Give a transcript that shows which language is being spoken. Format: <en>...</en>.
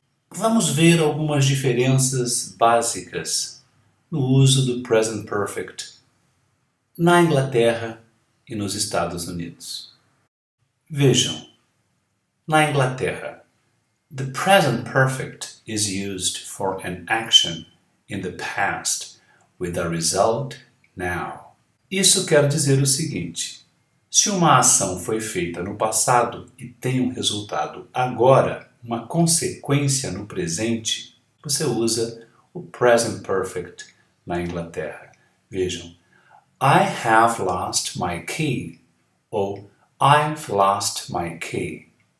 <pt>Vamos ver algumas diferenças básicas no uso do present perfect na Inglaterra e nos Estados Unidos. Vejam, na Inglaterra,</pt> <en>the present perfect is used for an action in the past with a result now.</en> <pt>Isso quer dizer o seguinte: se uma ação foi feita no passado e tem um resultado agora, uma consequência no presente, você usa o present perfect na Inglaterra. Vejam,</pt> <en>I have lost my key</en> <pt>ou</pt> <en>I've lost my key.</en>